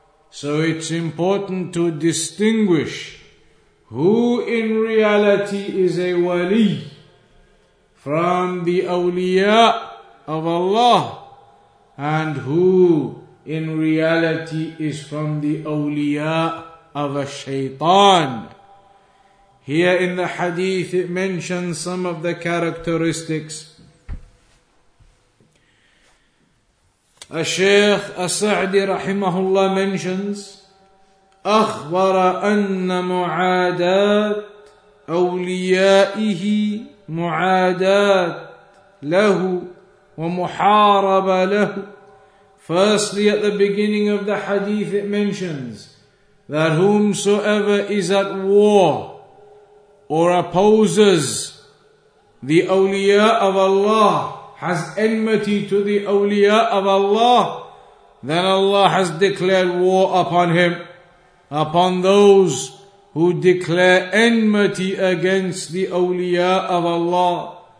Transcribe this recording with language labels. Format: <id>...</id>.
<en>So it's important to distinguish who in reality is a wali from the awliya of Allah and who in reality is from the awliya of a shaitan. Here in the hadith, it mentions some of the characteristics. Al-Shaykh As-Sa'di rahimahullah mentions,</en> <ar>أَخْبَرَ أَنَّ مُعَادَاتْ أَوْلِيَائِهِ مُعَادَاتْ لَهُ وَمُحَارَبَ لَهُ.</ar> <en>Firstly, at the beginning of the hadith, it mentions that whomsoever is at war or opposes the awliya of Allah, has enmity to the awliya of Allah, then Allah has declared war upon him, upon those who declare enmity against the awliya of Allah.</en>